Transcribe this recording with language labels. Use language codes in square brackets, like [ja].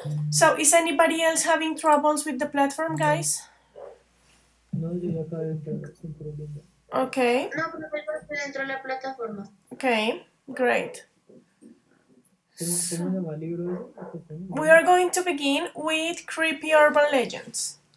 [en] So, is anybody else having troubles with the platform, guys? [es] No, yo ya acabé de tener un problema. [en] Okay. [es] No, pero yo estoy dentro de la plataforma. [en] Okay, great. So, we are going to begin with Creepy Urban Legends.